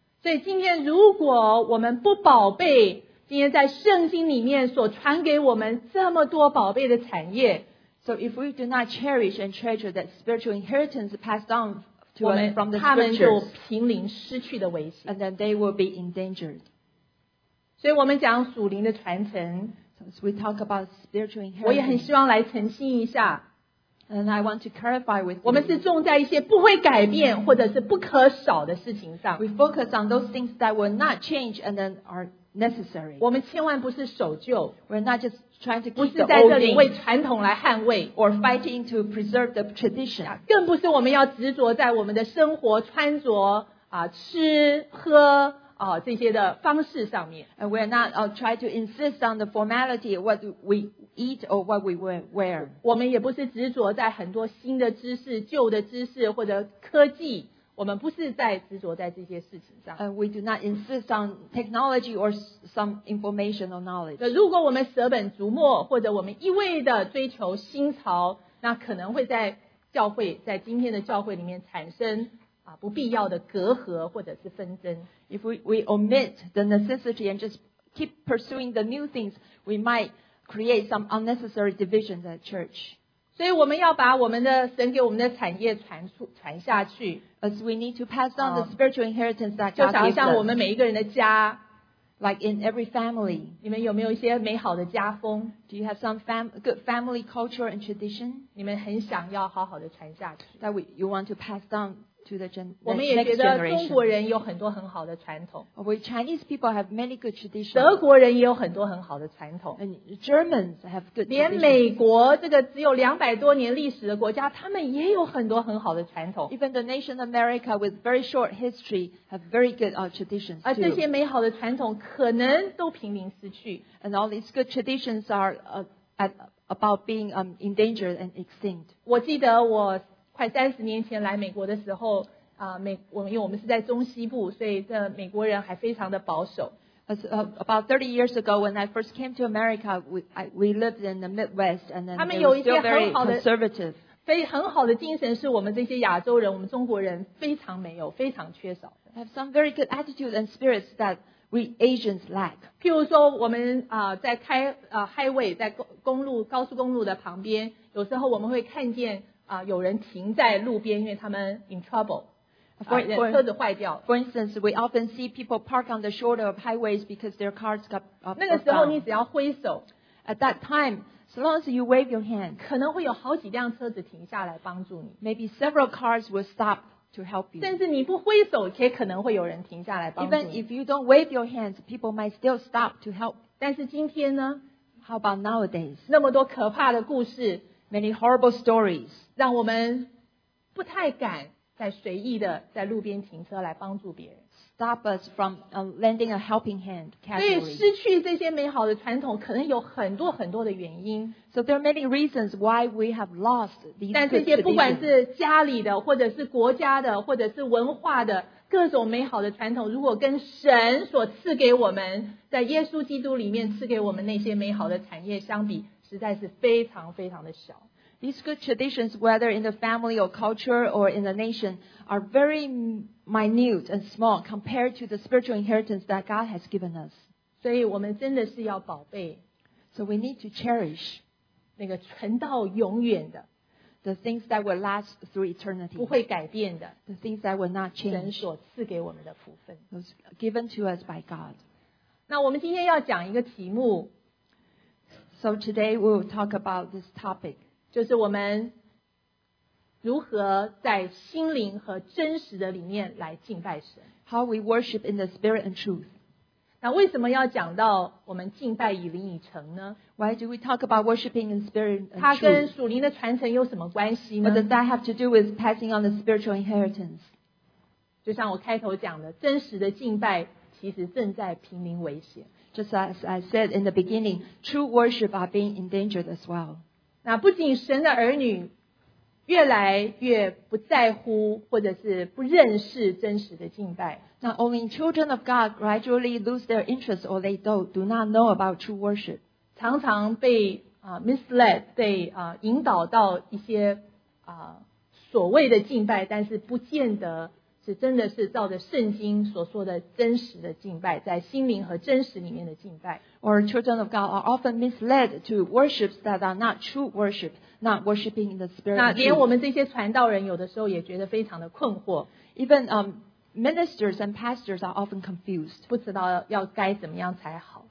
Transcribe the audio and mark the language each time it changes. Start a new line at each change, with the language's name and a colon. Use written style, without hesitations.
Chinese: 所以今天如果我们不宝贝今天在圣经里面所传给我们这么多宝贝的产业
English: So if we do not cherish and treasure that spiritual inheritance passed on to us from the scriptures
Chinese: 他们就濒临失去的危险
English: And then they will be endangered
Chinese: 所以我们讲属灵的传承
English: So as we talk about spiritual inheritance
Chinese: 我也很希望来澄清一下
English: And I want to clarify with you
Chinese: 我们是种在一些不会改变或者是不可少的事情上
English: We focus on those things that will not change and then are necessary.
Chinese: 我们千万不是守旧
English: We're not just trying to keep
Chinese: 不是在这里为传统来捍卫
English: or fighting to preserve the tradition.
Chinese: 更不是我们要执着在我们的生活穿着、吃喝、这些的方式上面
English: And we're not trying to insist on the formality of what we eat or what we wear.
Chinese: 我们也不是执着在很多新的知识、旧的知识或者科技我们不是在执着在这些事情上。
English: We do not insist on technology or some informational knowledge.
Chinese: 如果我们舍本逐末或者我们一味的追求新潮那可能会在教会在今天的教会里面产生、不必要的隔阂或者是纷争。
English: If we omit the necessity and just keep pursuing the new things, we might create some unnecessary division at church.
Chinese: 所以我们要把我们的神给我们的产业 传下去
English: As we need to pass on the spiritual inheritance that God
Chinese: 就好像我们每一个人的家
English: Like in every family
Chinese: 你们有没有一些美好的家风
English: Do you have some good family culture and tradition
Chinese: 你们很想要好好的传下去
English: That you want to pass down to the next generation
Chinese: 我们也觉得中国人有很多很好的传统
English: We Chinese people have many good traditions
Chinese: 德国人也有很多很好的传统
English: And Germans have good traditions
Chinese: 连美国这个只有200多年历史的国家他们也有很多很好的传统
English: Even the nation of America with very short history have very good traditions too
Chinese: 而这些美好的传统可能都濒临失去
English: And all these good traditions are about being endangered and extinct
Chinese: 我记得我快三十年前来美国的时候、因为我们是在中西部所以这美国人还非常的保守
English: About 30 years ago when I first came to America we lived in the Midwest and then
Chinese: 他们有一些很好的
English: they were still very conservative
Chinese: 非常好的精神是我们这些亚洲人我们中国人非常没有非常缺少
English: I have some very good attitudes and spirits that we Asians lack
Chinese: 譬如说我们、在开、highway 在公路高速公路的旁边有时候我们会看见有人停在路边，因为他们
English: in trouble，
Chinese: 车子坏掉了。
English: For instance, we often see people park on the shoulder of highways because their cars got down.
Chinese: 那个时候你只要挥手
English: ，at that time, as long as you wave your hand，
Chinese: 可能会有好几辆车子停下来帮助你。
English: Maybe several cars will stop to help you.
Chinese: 甚至你不挥手，也可能会有人停下来帮助你。
English: Even if you don't wave your hands, people might still stop to help.
Chinese: 但是今天呢
English: ？How about nowadays?
Chinese: 那么多可怕的故事。
English: Many horrible stories
Chinese: 让我们不太敢在随意的在路边停车来帮助别人
English: Stop us from lending a helping hand casually
Chinese: 所以失去这些美好的传统可能有很多很多的原因
English: So there are many reasons why we have lost these good traditions
Chinese: 但这些不管是家里的或者是国家的或者是文化的各种美好的传统如果跟神所赐给我们在耶稣基督里面赐给我们那些美好的产业相比实在是非常非常的小
English: These good traditions whether in the family or culture or in the nation are very minute and small compared to the spiritual inheritance that God has given us
Chinese: 所以我们真的是要宝贝
English: So we need to cherish
Chinese: 那个存到永远的
English: The things that will last through eternity
Chinese: 不会改变的
English: The things that will not change
Chinese: 神所赐给我们的福分
English: Those given to us by God
Chinese: 那我们今天要讲一个题目
English: So today we'll talk about this topic.
Chinese: 就是我们如何在心灵和真实的里面来敬拜神。
English: How we worship in the spirit and truth.
Chinese: 那为什么要讲到我们敬拜以灵以诚呢
English: ？Why do we talk about worshiping in spirit and truth?
Chinese: 它跟属灵的传承有什么关系呢
English: ？What does that have to do with passing on the spiritual inheritance?
Chinese: 就像我开头讲的，真实的敬拜其实正在濒临危险。
English: Just as I said in the beginning, true worship are being endangered as well.
Chinese: 那不仅神的儿女越来越不在乎或者是不认识真实的敬拜
English: Not only children of God gradually lose their interest or they do not know about true worship.
Chinese: 常常被、
English: misled,
Chinese: 被、引导到一些、所谓的敬拜但是不见得是真的是照着圣经所说的真实的敬拜，在心灵和真实里面的敬拜。
English: Or children of God are often misled to worships that are not true worship, not worshiping in the spirit.
Chinese: 那连我们这些传道人有的时候也觉得非常的困惑。
English: Even ministers and pastors are often confused.
Chinese: 不知道要该怎么样才好。